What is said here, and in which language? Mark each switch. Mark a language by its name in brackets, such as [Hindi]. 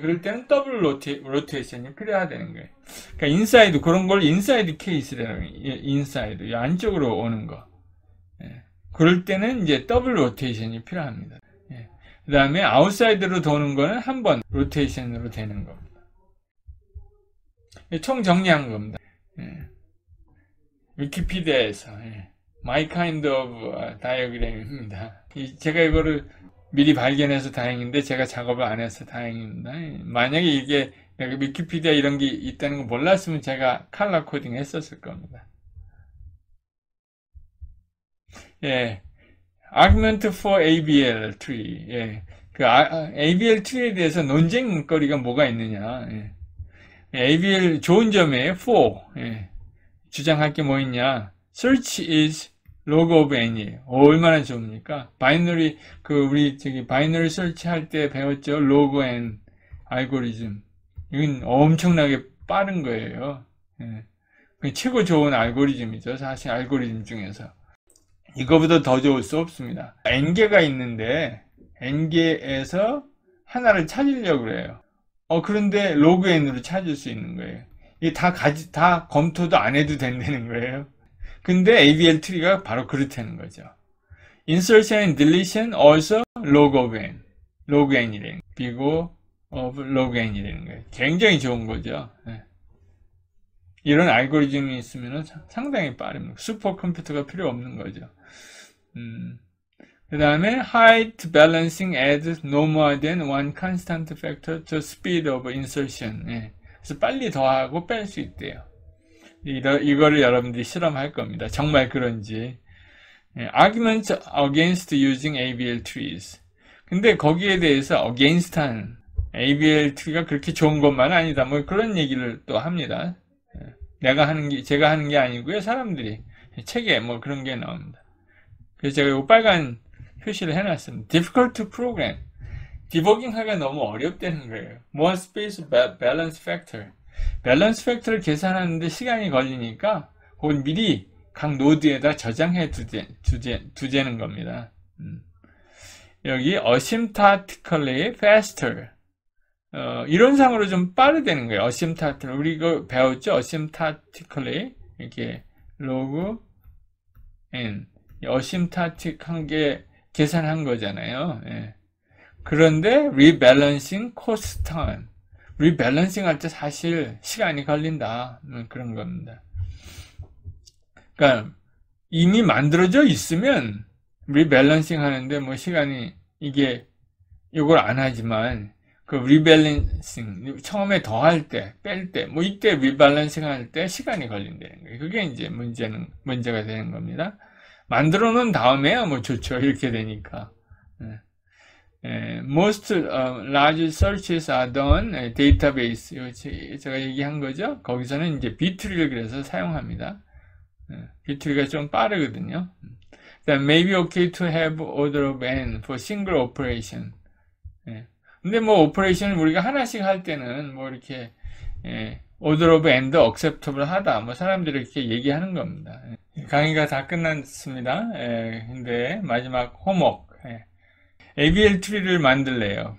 [Korean] 그럴 때는 더블 로테이션이 필요하다는 거예요. 그러니까 인사이드 그런 걸 인사이드 케이스라고 해요. 인사이드 이 안쪽으로 오는 거. 그럴 때는 이제 더블 로테이션이 필요합니다. 그 다음에 아웃사이드로 도는 거는 한번 로테이션으로 되는 겁니다. 총 정리한 겁니다. 위키피디아에서 My Kind of Diagram입니다. 제가 이거를 미리 발견해서 다행인데 제가 작업을 안 해서 다행입니다. 만약에 이게 내가 위키피디아 이런 게 있다는 거 몰랐으면 제가 컬러 코딩 했었을 겁니다. [English] Argument for ABL tree. [Korean] ABL tree에 대해서 논쟁거리가 뭐가 있느냐. ABL 좋은 점에 for. 주장할 게뭐 있냐. [English] Search is log of n이에요. [Korean] 얼마나 좋습니까? 바이너리, 우리 저기 바이너리 설치할 때 배웠죠. log n 알고리즘. 이건 엄청나게 빠른 거예요. 최고 좋은 알고리즘이죠. 사실 알고리즘 중에서. 이거보다 더 좋을 수 없습니다. n개가 있는데 n개에서 하나를 찾으려고 그래요. 그런데 로그 n으로 찾을 수 있는 거예요. 이게 다 검토도 안 해도 된다는 거예요. 근데 ABL 트리가 바로 그렇다는 거죠. [English] Insertion and deletion also log of n. [Korean] log n이래요. big O of log n이라는 거예요. 굉장히 좋은 거죠. 이런 알고리즘이 있으면 상당히 빠릅니다. 슈퍼 컴퓨터가 필요 없는 거죠. 그 다음에 [English] height balancing adds no more than one constant factor to speed of insertion. [Korean] 그래서 빨리 더하고 뺄수 있대요. 이거를 여러분들이 실험할 겁니다. 정말 그런지. [English] Arguments against using ABL trees. [Korean] 근데 거기에 대해서 against한 ABL tree가 그렇게 좋은 것만 아니다. 뭐 그런 얘기를 또 합니다. 제가 하는 게 아니고요. 사람들이 책에 뭐 그런 게 나옵니다. 그래서 제가 요 빨간 표시를 해놨습니다. [English] Difficult to program. [Korean] 디버깅하기가 너무 어렵다는 거예요. [English] More space balance factor. [Korean] Balance factor를 계산하는데 시간이 걸리니까 그건 미리 각 노드에다 저장해 두자는 겁니다. [English] 여기 asymptotically faster. [Korean] 이런 상으로 좀 빠르다는 거예요. Asymptotically. 우리 이거 배웠죠? Asymptotically. 이렇게 log n. Asymptotic 한게 계산한 거잖아요. 예. [English] 그런데 rebalancing cost time. [Korean] rebalancing 할때 사실 시간이 걸린다. 그런 겁니다. 그러니까 이미 만들어져 있으면 rebalancing 하는데 뭐 시간이 이게 이걸 안 하지만 그 rebalancing 처음에 더할 때, 뺄 때, 뭐 이때 rebalancing 할때 시간이 걸린다는 거예요. 그게 이제 문제가 되는 겁니다. 만들어 놓은 다음에야 뭐 좋죠. 이렇게 되니까. [English] Most large searches are done database. [Korean] 제가 얘기한 거죠. 거기서는 이제 B-tree를 그래서 사용합니다. B-tree가 좀 빠르거든요. [English] Then maybe okay to have order of n for single operation. [Korean] 근데 뭐 operation을 우리가 하나씩 할 때는 뭐 이렇게 order of n도 acceptable 하다. 뭐 사람들이 이렇게 얘기하는 겁니다. 강의가 다 끝났습니다. 근데 마지막 homework. ABL 트리를 만들래요.